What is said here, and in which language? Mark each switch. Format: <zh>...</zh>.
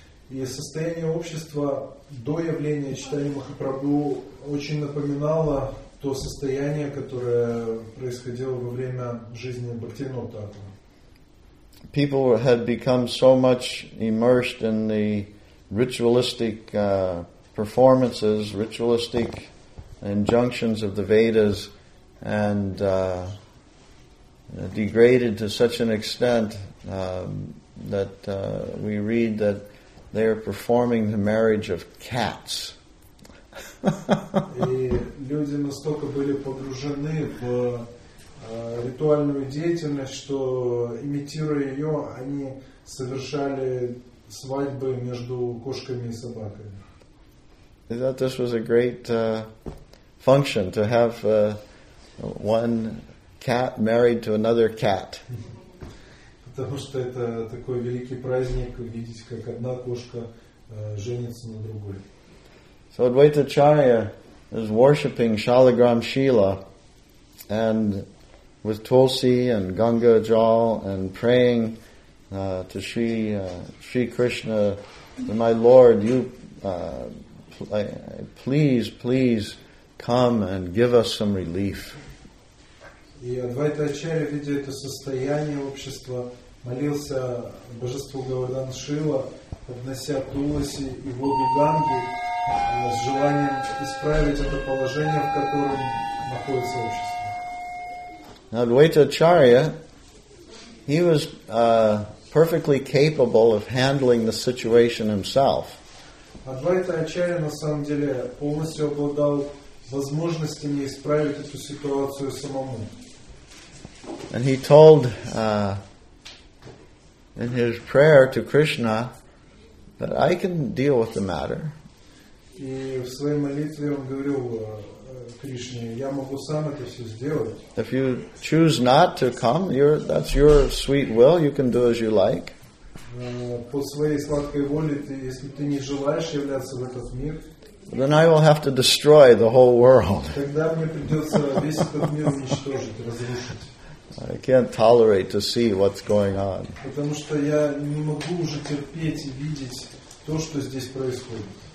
<ru>И состояние общества до явления Чайтаньи Махапрабху очень напоминало то состояние, которое происходило во время жизни Бхактивинода Такура.</ru> <en>People had become so much immersed in the ritualistic performances, ritualistic injunctions of the Vedas, and degraded to such an extent that we read that they are performing the marriage of cats.</en> <ru>И люди настолько были погружены в ритуальную деятельность, что имитируя ее, они совершали свадьбы между кошками и собаками.</ru> <en>I thought this was a great function to have one cat married to another cat.</en> <ru>Потому что это такой великий праздник видеть, как одна кошка женится на другой.</ru> <en>So Advaita Acharya is worshipping Shalagram Shila and with Tulsi and Ganga Jal and praying to Sri Krishna, my Lord, you please come and give us some relief.</en> <ru>И Advaita Acharya, видя это состояние общества, молился божеству Говардан Шрила, поднося туласи и воду Ганги с желанием исправить это положение, в котором находится общество.</ru> <en>Now, Advaita Acharya, he was perfectly capable of handling the situation himself.</en> <ru>Advaita Acharya на самом деле полностью обладал возможностями исправить эту ситуацию самому.</ru> <en>And he told in his prayer to Krishna that I can deal with the matter.</en> <ru>И в своей молитве он говорил Кришне: я могу сам это все сделать.</ru> <en>If you choose not to come, that's your sweet will, you can do as you like.</en> <ru>По своей сладкой воле, если ты не желаешь являться в этот мир,</ru> <en>then I will have to destroy the whole world.</en> <ru>Тогда мне придется весь этот мир уничтожить, разрушить.</ru> <en>I can't tolerate to see what's going on.</en> <ru>Потому что я не могу уже терпеть и видеть то, что здесь происходит.</ru>